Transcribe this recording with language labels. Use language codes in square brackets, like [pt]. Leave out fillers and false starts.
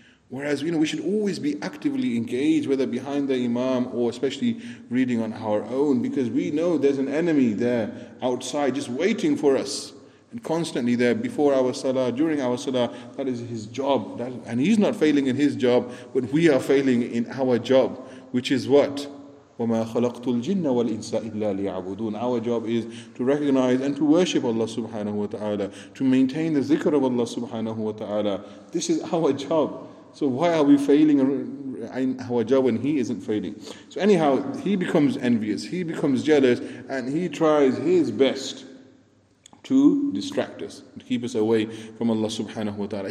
[en] Whereas, you know, we should always be actively engaged, whether behind the imam or especially reading on our own, because we know there's an enemy there outside just waiting for us. And constantly there, before our salah, during our salah, that is his job. And he's not failing in his job, but we are failing in our job, which is what? [ar] وما خلقت الجن والإنس إلا ليعبدون. [en] Our job is to recognize and to worship Allah subhanahu wa ta'ala, to maintain the zikr of Allah subhanahu wa ta'ala. This is our job. So why are we failing in our job when he isn't failing? So anyhow, he becomes envious, he becomes jealous, and he tries his best to distract us, to keep us away from Allah subhanahu wa ta'ala.